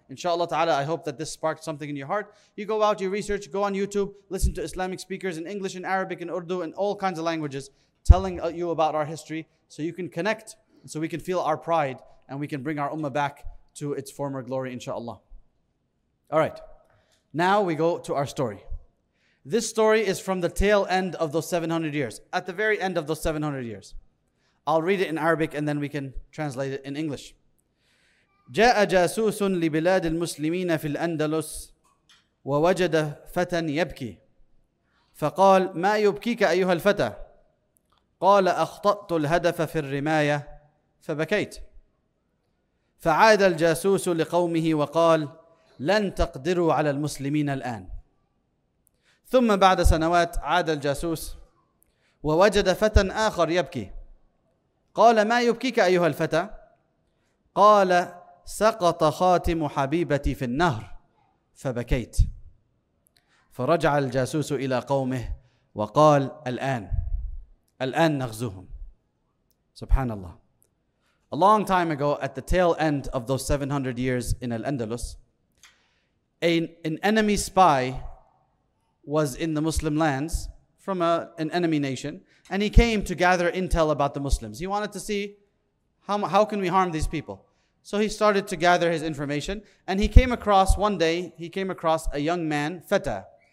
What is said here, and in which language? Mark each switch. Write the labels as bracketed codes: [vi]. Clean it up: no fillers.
[en] Inshallah ta'ala, I hope that this sparked something in your heart. You go out, you research, go on YouTube, listen to Islamic speakers in English, in Arabic, in Urdu, in all kinds of languages, telling you about our history so you can connect, so we can feel our pride, and we can bring our ummah back to its former glory, inshallah. All right. Now we go to our story. This story is from the tail end of those 700 years, at the very end of those 700 years. I'll read it in Arabic and then we can translate it in English. [ar] جاء جاسوس لبلاد المسلمين في الأندلس ووجد فتى يبكي فقال ما يبكيك أيها الفتى قال أخطأت الهدف في الرماية فبكيت فعاد الجاسوس لقومه وقال لن تقدروا على المسلمين الآن ثم بعد سنوات عاد الجاسوس ووجد فتى آخر يبكي قال ما يبكيك أيها الفتى قال سقط خاتم حبيبتي في النهر فبكيت فرجع الجاسوس إلى قومه وقال الآن نغزوهم سبحان الله. [en] A long time ago, at the tail end of those 700 years in Al-Andalus, an enemy spy was in the Muslim lands from an enemy nation, and he came to gather intel about the Muslims. He wanted to see how can we harm these people. So he started to gather his information, and he came across, one day, he came across a young man, Fata.